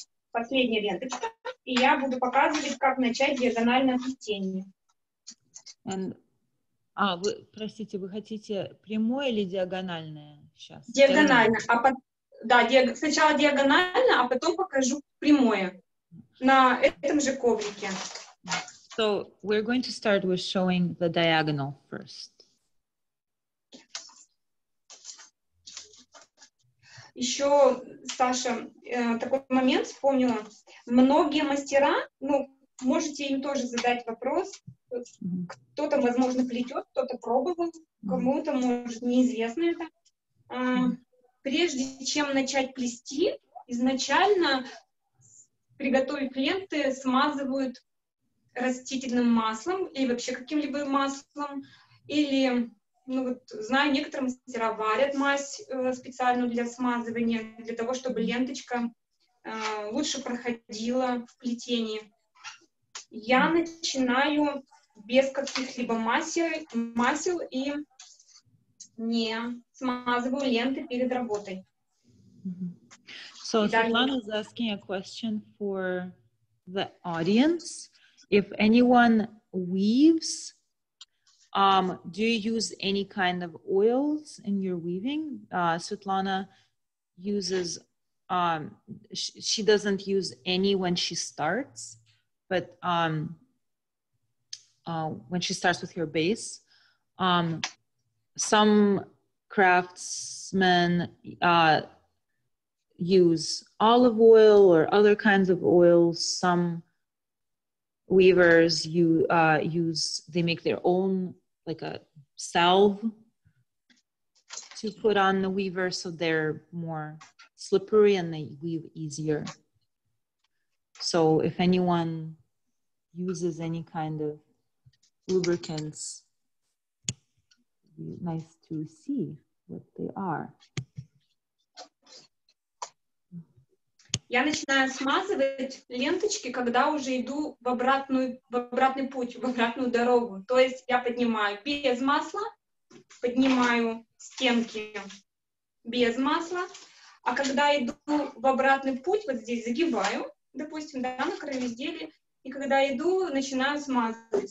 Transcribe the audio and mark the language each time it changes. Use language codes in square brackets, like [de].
[ru] Последняя ленточка, и я буду показывать, как начать диагональное плетение. Вы, простите, вы хотите прямое или диагональное сейчас? Диагонально. Сначала диагонально, а потом покажу прямое на этом же коврике. [en] So we're going to start with showing the diagonal first. [ru] Еще, Саша, такой момент вспомнила. Многие мастера, ну, можете им тоже задать вопрос. Кто-то, возможно, плетет, кто-то пробовал, кому-то, может, неизвестно это. Прежде чем начать плести, изначально, приготовив ленты, смазывают растительным маслом или вообще каким-либо маслом, или... Ну вот, знаю, некоторые мастера варят мазь специально для смазывания, для того, чтобы ленточка лучше проходила в плетении. Я начинаю без каких-либо масел и не смазываю ленты перед работой. [en] So, Svetlana is asking a question for the audience. If anyone weaves, do you use any kind of oils in your weaving? Svetlana uses, she doesn't use any when she starts, but when she starts with your base. Some craftsmen use olive oil or other kinds of oils. Some weavers they make their own, like a salve to put on the weaver so they're more slippery and they weave easier. So if anyone uses any kind of lubricants, it'd be nice to see what they are. [ru] Я начинаю смазывать ленточки, когда уже иду в обратную дорогу. То есть я поднимаю без масла, поднимаю стенки без масла. А когда иду в обратный путь, вот здесь загибаю, допустим, да, на краю изделия, и когда иду, начинаю смазывать.